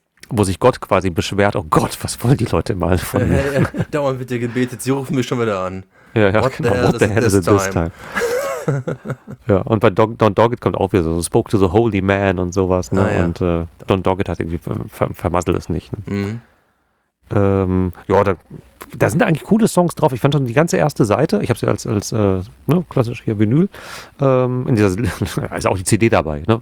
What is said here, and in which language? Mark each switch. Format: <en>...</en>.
<de>Wo sich Gott quasi beschwert, oh Gott, was wollen die Leute mal von mir? Dauernd wird dir gebetet, sie rufen mich schon wieder an.</de> <en>Ja, what the hell is it this time?</en> <de>Ja, und bei Don Doggett kommt auch wieder so,</de> <en>spoke to the holy man</en> <de>und sowas, ne? Ja. Und Don Doggett hat irgendwie, vermasselt es nicht. Ne? Mhm. Da sind eigentlich coole Songs drauf. Ich fand schon die ganze erste Seite, ich habe sie als klassisch hier Vinyl, in dieser, ist auch die CD dabei, ne?</de>